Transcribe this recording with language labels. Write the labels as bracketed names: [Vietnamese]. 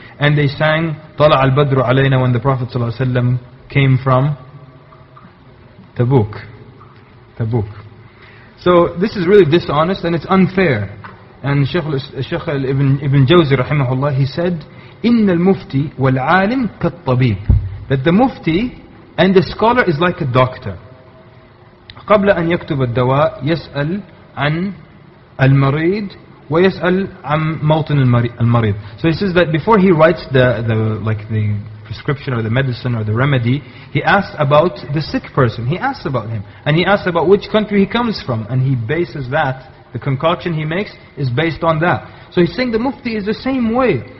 [English] And they sang Tala al-Badru alayna when the Prophet ﷺ came from Tabuk. Tabuk. So this is really dishonest and it's unfair. And Shaykh Ibn Jawzi rahimahullah, he said, [Arabic] إِنَّ الْمُفْتِي وَالْعَالِمْ كَالطَّبِيبِ, [English] that the Mufti and the scholar is like a doctor. [Arabic] قَبْلَ أَنْ يَكْتُبَ الدَّوَاءِ يَسْأَلْ عَنْ المريض ويسأل عن موطن المريض. [English] So he says that before he writes the prescription or the medicine or the remedy, he asks about the sick person. He asks about him and he asks about which country he comes from, and he bases that, the concoction he makes is based on that. So he's saying the Mufti is the same way.